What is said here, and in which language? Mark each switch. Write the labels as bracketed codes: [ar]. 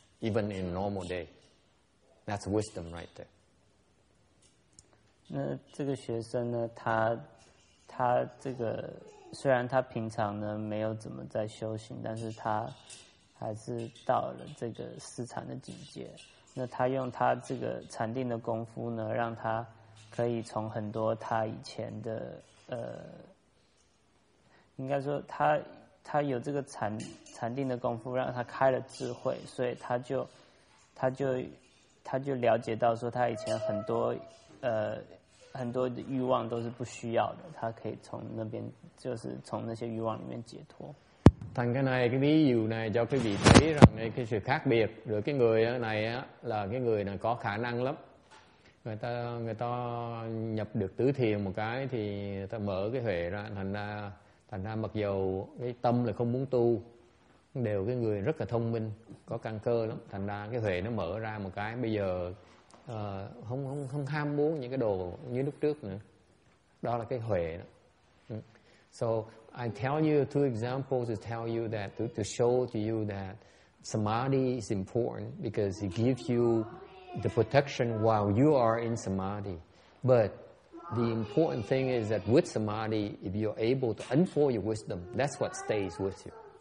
[en] Even in normal day, that's wisdom right there. [zh] 那这个学生呢，他这个虽然他平常呢没有怎么在修行，但是他还是到了这个四禅的境界。那他用他这个禅定的功夫呢，让他可以从很多他以前的应该说他。他有这个禅定的功夫，让他开了智慧，所以他就了解到说，他以前很多很多的欲望都是不需要的，他可以从那边就是从那些欲望里面解脱。 [vi] Thành cái này cái ví dụ này cho quý vị thấy rằng cái sự khác biệt giữa cái người này là cái người này có khả năng lắm. người ta nhập được tứ thiền một cái thì người ta mở cái huệ ra, thành ra mặc dù cái tâm là không muốn tu, đều cái người rất là thông minh, có căn cơ lắm, thành ra cái huệ nó mở ra một cái, bây giờ không ham muốn những cái đồ như lúc trước nữa. Đó là cái huệ đó. [en] So I tell you two examples to tell you that to show to you that samadhi is important because it gives you the protection while you are in samadhi. But the important thing is that with samadhi, if you're able to unfold your wisdom, that's what stays with you.